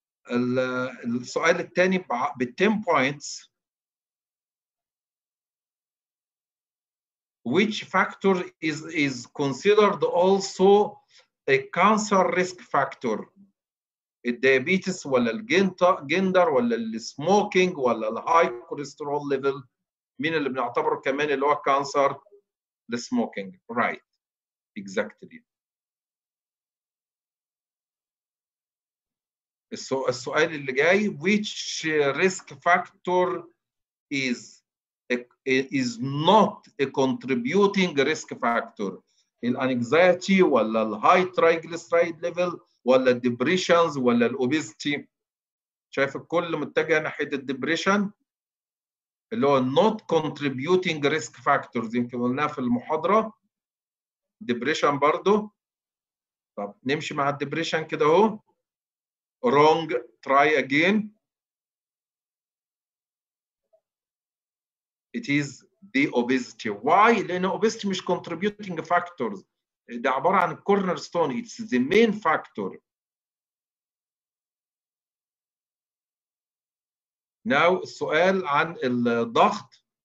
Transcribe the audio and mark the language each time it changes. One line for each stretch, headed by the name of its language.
Arabic: السؤال الثاني ب
English: 10 points. Which factor is considered also a cancer risk factor?
Arabic: Diabetes, ولا الجندر ولا السموكينج ولا الهاي كوليسترول ليفل؟ مين اللي بنعتبره كمان اللي هو كانسر؟ السموكينج.
English: Right. Exactly.
Arabic: السؤال اللي جاي,
English: which risk factor is not a contributing risk factor?
Arabic: الانكزايتي ولا الهاي تريجليسرايد ليفل ولا الديبريشنز ولا الاوبيستي؟ شايف الكل متجه ناحيه الديبريشن اللي هو
English: not contributing risk factors.
Arabic: يمكن قلناها في المحاضره ديبريشن برضو. طب نمشي مع الديبريشن كده اهو.
English: wrong, try again. It is the obesity. Why?
Arabic: لأن obesity مش
English: contributing factors.
Arabic: ده عبارة عن cornerstone.
English: It's the main factor.
Arabic: Now, السؤال عن الضغط.